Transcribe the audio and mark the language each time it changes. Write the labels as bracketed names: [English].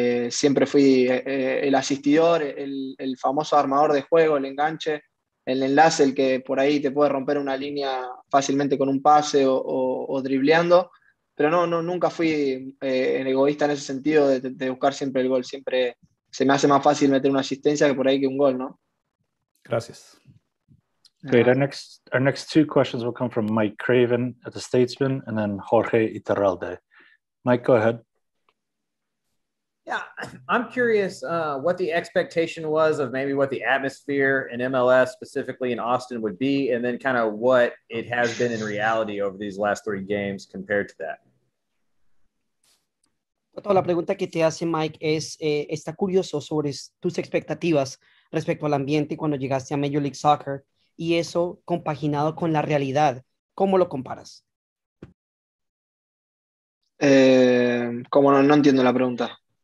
[Spanish] Siempre fui el asistidor, el famoso armador de juego, el enganche, el enlace, el que por ahí te puede romper una línea fácilmente con un pase o dribleando. Pero no, nunca fui egoísta en ese sentido de buscar siempre el gol. Siempre se me hace más fácil meter una asistencia que por ahí que un gol, ¿no? Gracias. [English] Great. Our next two questions will come from Mike Craven at the Statesman and then Jorge Iturralde. Mike, go ahead. Yeah, I'm curious what the expectation was of maybe what the atmosphere in MLS, specifically in Austin, would be, and then kind of what it has been in reality over these last three games compared to that. [Spanish] La pregunta que te hace Mike es, está curioso sobre tus expectativas respecto al ambiente cuando llegaste a Major League Soccer y eso compaginado con la realidad. ¿Cómo lo comparas? Como no entiendo la pregunta.